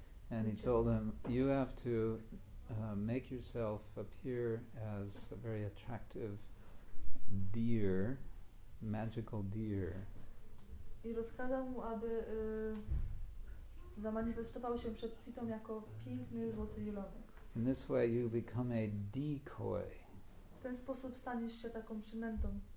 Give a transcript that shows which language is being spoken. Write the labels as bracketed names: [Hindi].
[English] And he told him, you have to make yourself appear as a very attractive deer, magical deer. [Polish] I rozkazał mu, aby zamanifestował się przed Citą jako piękny złoty jelonek. [English] In this way you become a decoy. [Polish] W ten sposób staniesz się taką przynętą.